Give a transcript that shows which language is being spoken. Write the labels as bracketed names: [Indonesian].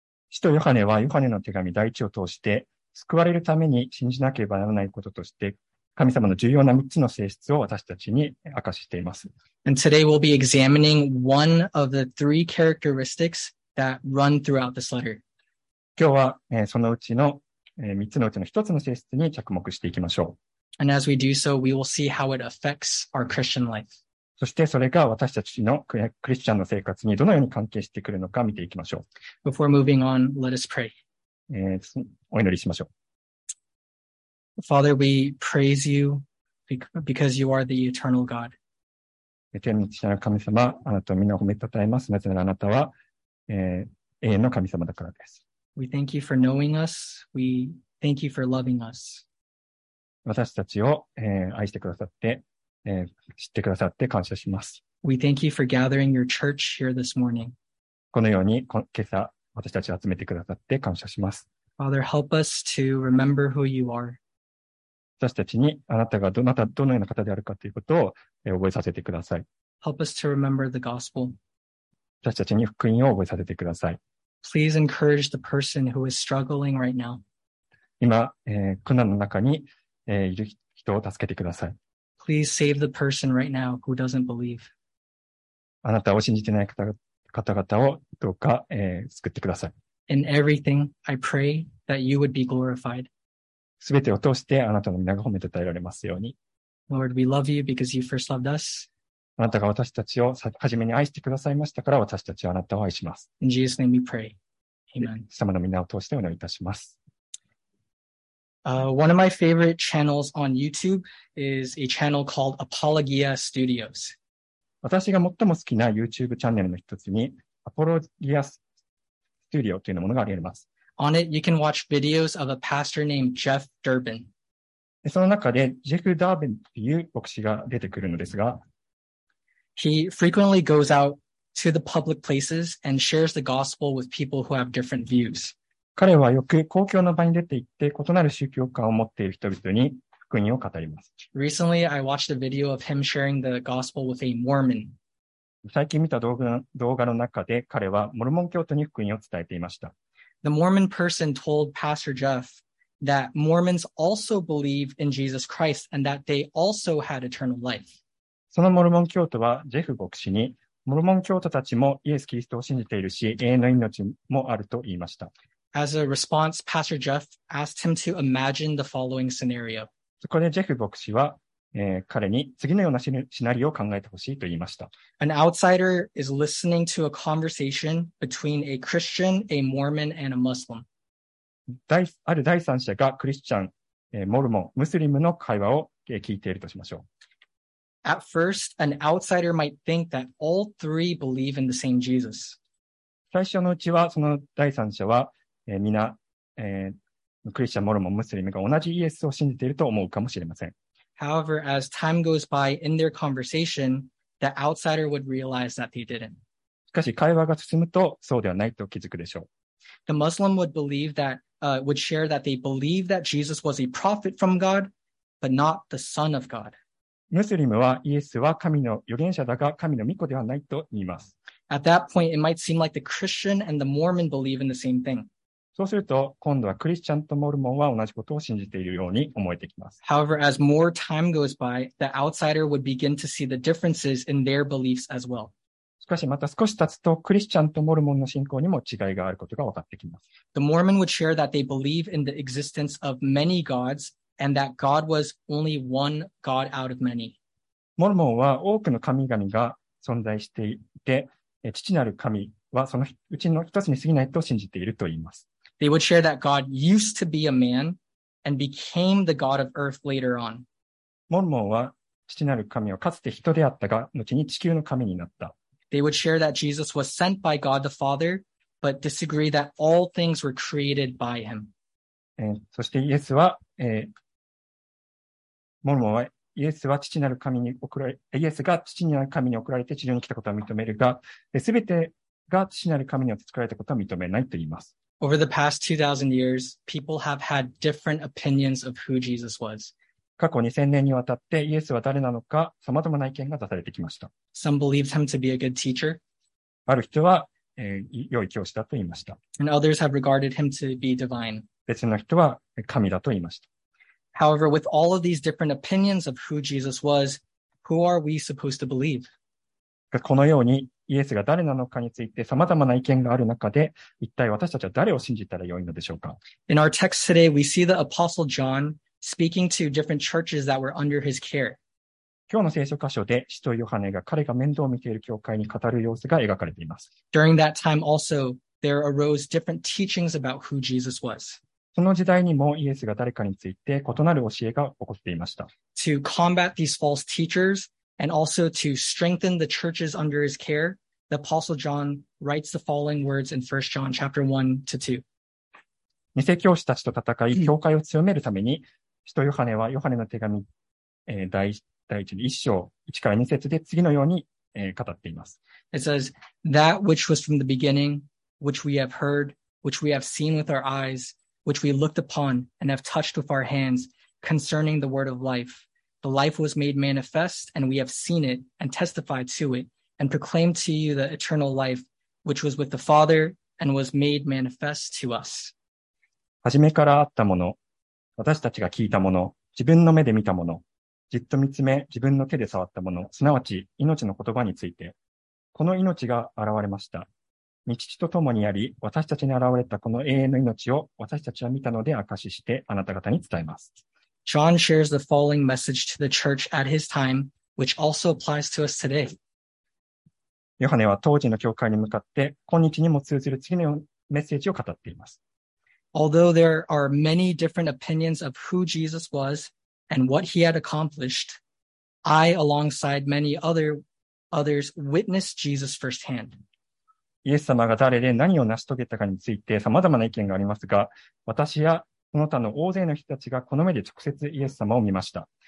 [Japanese] 使徒ヨハネはヨハネの手紙第一を通して救われるために信じなければならないこととして神様の重要な3つの性質を私たちに明かしています。 [English] And today we'll be examining one of the three characteristics that run throughout this letter. [Japanese] 今日は、そのうちの3つのうちの1つの性質に着目していきましょう。 [English] And as we do so, we will see how it affects our Christian life. [Japanese] そしてそれが私たちのクリスチャンの生活にどのように関係してくるのか見ていきましょう。 [English] Before moving on, let us pray. [Japanese] お祈りしましょう。 [English] Father, we praise you because you are the eternal God. [Japanese] 天の父なる神様、あなたをみんな褒めたたえます。なぜならあなたは、永遠の神様だからです。 [English] We thank you for knowing us. We thank you for loving us. [Japanese] 私たちを、愛してくださって、知ってくださって感謝します。 [English] We thank you for gathering your church here this morning. [Japanese] このように今朝私たちを集めてくださって感謝します。 [English] Father, help us to remember who you are. [Japanese] 私たちにあなたがどのような方であるかということを覚えさせてください。 [English] Help us to remember the gospel. [Japanese] 私たちに福音を覚えさせてください。 [English] Please encourage the person who is struggling right now. [Japanese] 今、苦難の中に、いる人を助けてください。 [English] Please save the person right now who doesn't believe. [Japanese] あなたを信じてない方々をどうか、救ってください。 [English] In everything, I pray that you would be glorified. [Japanese] すべてを通してあなたの皆が褒めたたえられますように。 [English] Lord, we love you because you first loved us. [Japanese] あなたが私たちを初めに愛してくださいましたから私たちはあなたを愛します。 [English] In Jesus' name we pray. Amen. [Japanese] 様の皆を通してお祈りいたします。 [English] One of my favorite channels on YouTube is a channel called Apologia Studios. [Japanese] 私が最も好きな YouTube チャンネルの一つに Apologia Studio というものがあります。 [English] On it, you can watch videos of a pastor named Jeff Durbin. [Japanese] その中で、ジェフ・ダービンという牧師が出てくるのですが、 [English] He frequently goes out to the public places and shares the gospel with people who have different views. [Japanese] 彼はよく公共の場に出て行って、異なる宗教観を持っている人々に福音を語ります。 [English] Recently, I watched a video of him sharing the gospel with a Mormon. [Japanese] 最近見た動画の中で、彼はモルモン教徒に福音を伝えていました。 [English] The Mormon person told Pastor Jeff that Mormons also believe in Jesus Christ and that they also had eternal life. [Japanese] そのモルモン教徒はジェフ牧師に、モルモン教徒たちもイエス・キリストを信じているし、永遠の命もあると言いました。 [English] As a response, Pastor Jeff asked him to imagine the following scenario. [Japanese] そこでジェフ牧師は、彼に次のようなシナリオを考えてほしいと言いました。 [English] An outsider is listening to a conversation between a Christian, a Mormon, and a Muslim. [Japanese] ある第三者がクリスチャン、モルモン、ムスリムの会話を聞いているとしましょう。 [English] At first, an outsider might think that all three believe in the same Jesus. [Japanese] 最初のうちはその第三者は、みな、クリスチャン、モルモン、ムスリムが同じイエスを信じていると思うかもしれません。 [English] However, as time goes by in their conversation, the outsider would realize that they didn't. [Japanese] しかし会話が進むとそうではないと気づくでしょう。 [English] The Muslim would believe that, would share that they believe that Jesus was a prophet from God, but not the son of God. [Japanese] ムスリムはイエスは神の預言者だが神の御子ではないと言います。 [English] At that point, it might seem like the Christian and the Mormon believe in the same thing. [Japanese] そうすると、今度はクリスチャンとモルモンは同じことを信じているように思えてきます。 [English] However, as more time goes by, the outsider would begin to see the differences in their beliefs as well. [Japanese] しかしまた少し経つと、クリスチャンとモルモンの信仰にも違いがあることが分かってきます。 [English] The Mormon would share that they believe in the existence of many gods and that God was only one God out of many. [Japanese] モルモンは多くの神々が存在していて、父なる神はそのうちの一つに過ぎないと信じていると言います。 [English] They would share that God used to be a man and became the God of earth later on. [Japanese] モルモンは父なる神はかつて人であったが、後に地球の神になった。 [English] They would share that Jesus was sent by God the Father, but disagree that all things were created by him. [Japanese] そしてイエスは、モルモンはイエスは父なる神に送られ、イエスが父なる神に送られて地上に来たことは認めるが、すべてが父なる神によって作られたことは認めないと言います。 [English] Over the past 2000 years, people have had different opinions of who Jesus was. [Japanese] 過去2000年にわたってイエスは誰なのか、様々な意見が出されてきました。 [English] Some believed him to be a good teacher. [Japanese] ある人は、良い教師だと言いました。 [English] And others have regarded him to be divine. [Japanese] 別の人は神だと言いました。 [English] However, with all of these different opinions of who Jesus was, who are we supposed to believe? [Japanese] このようにイエスが誰なのかについて様々な意見がある中で、一体私たちは誰を信じたらよいのでしょうか? [English] In our text today, we see the Apostle John speaking to different churches that were under his care. [Japanese] 今日の聖書箇所で、使徒ヨハネが彼が面倒を見ている教会に語る様子が描かれています。 [English] During that time also, there arose different teachings about who Jesus was. [Japanese] その時代にもイエスが誰かについて異なる教えが起こっていました。 [English] To combat these false teachers and also to strengthen the churches under his care, the Apostle John writes the following words in 1 John chapter 1 to 2. [Japanese] 偽教師たちと戦い、教会を強めるために、使徒ヨハネはヨハネの手紙、第1章、1から2節で次のように、語っています。 [English] It says, That which was from the beginning, which we have heard, which we have seen with our eyes,which we looked upon and have touched with our hands concerning the word of life. The life was made manifest and we have seen it and testified to it and proclaimed to you the eternal life, which was with the Father and was made manifest to us. [Japanese] 初めからあったもの、私たちが聞いたもの、自分の目で見たもの、じっと見つめ自分の手で触ったもの、すなわち命の言葉について、この命が現れました。御父と共にあり、私たちに現れたこの永遠の命を私たちは見たので証ししてあなた方に伝えます。 [English] John shares the following message to the church at his time, which also applies to us today. [Japanese] ヨハネは当時の教会に向かって、今日にも通ずる次のメッセージを語っています。 [English] Although there are many different opinions of who Jesus was and what he had accomplished, I, alongside many others, witnessed Jesus firsthand. [Japanese] イエス様が誰で何を成し遂げたかについて様々な意見がありますが、私やその他の大勢の人たちがこの目で直接イエス様を見ました。